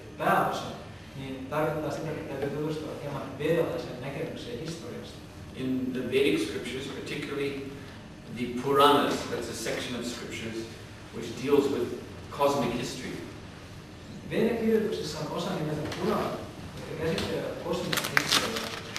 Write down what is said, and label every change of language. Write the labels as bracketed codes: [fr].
[fi] pääosin, niin tarkoittaa sitä, että täytyy tutustua hieman vedalaisen näkemykseen historiasta. [en] In the Vedic scriptures, particularly the Puranas, that's a section of scriptures which deals with cosmic history. [fi] Vedakirjoituksessa on osa nimeltä Purana, joka käsittelee kosmista historiaa.